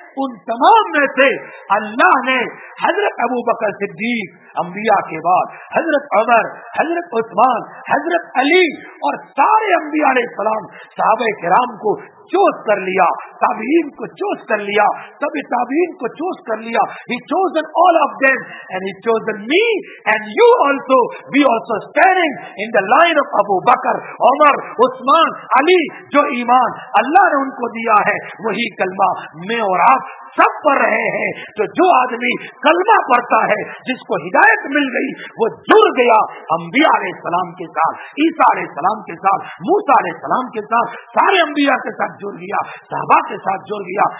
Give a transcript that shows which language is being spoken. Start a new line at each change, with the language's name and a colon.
Urdu: ان تمام میں سے اللہ نے حضرت ابو بکر صدیق انبیاء کے بعد, حضرت عمر, حضرت عثمان, حضرت علی اور سارے انبیاء علیہ السلام, صحابہ کرام کو چوز کر لیا, تابعین کو چوز کر لیا, تب تابعین کو چوز کر لیا.
English: He chosen all of them and he chosen me and you also. We also standing in the line of Abu Bakr, Umar, Uthman, Ali.
Urdu: جو ایمان اللہ نے ان کو دیا ہے وہی کلمہ میں اور آپ سب پڑھ رہے ہیں. تو جو آدمی کلمہ پڑھتا ہے, جس کو ہدایت مل گئی, وہ جڑ گیا انبیاء علیہ السلام کے ساتھ, عیسیٰ علیہ السلام کے ساتھ, موسیٰ علیہ السلام کے ساتھ, سارے انبیاء کے ساتھ جڑ گیا, صحابہ کے ساتھ جڑ گیا.